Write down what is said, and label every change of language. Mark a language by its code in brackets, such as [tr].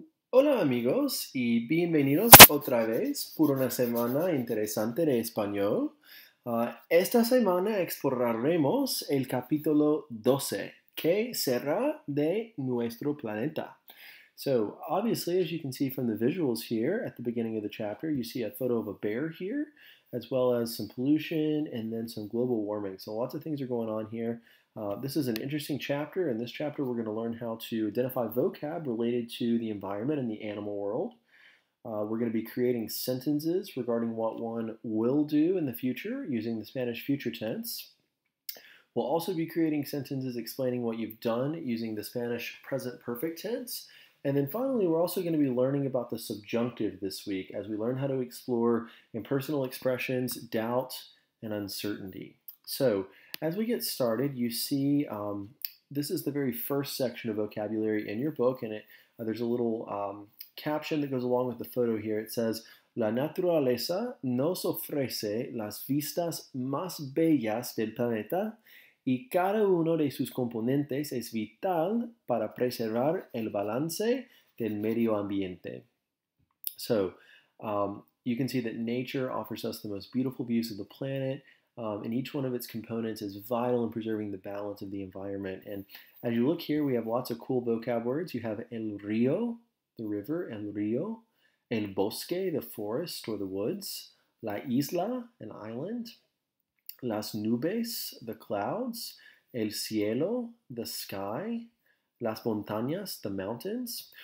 [es] Hola amigos y bienvenidos otra vez por una semana interesante de español. Esta semana exploraremos el capítulo 12, que será de nuestro planeta. [en] So, obviously, as you can see from the visuals here at the beginning of the chapter, you see a photo of a bear here, as well as some pollution and then some global warming. So lots of things are going on here. This is an interesting chapter. In this chapter, we're going to learn how to identify vocab related to the environment and the animal world. We're going to be creating sentences regarding what one will do in the future using the Spanish future tense. We'll also be creating sentences explaining what you've done using the Spanish present perfect tense. And then finally, we're also going to be learning about the subjunctive this week as we learn how to explore impersonal expressions, doubt, and uncertainty. So, as we get started, you see this is the very first section of vocabulary in your book, and it there's a little caption that goes along with the photo here. It says, [es] "La naturaleza nos ofrece las vistas más bellas del planeta, y cada uno de sus componentes es vital para preservar el balance del medio ambiente." [en] So, you can see that nature offers us the most beautiful views of the planet. And each one of its components is vital in preserving the balance of the environment. And as you look here, we have lots of cool vocab words. You have el río, the river, el río, el bosque, the forest or the woods, la isla, an island, las nubes, the clouds, el cielo, the sky, las montañas, the mountains.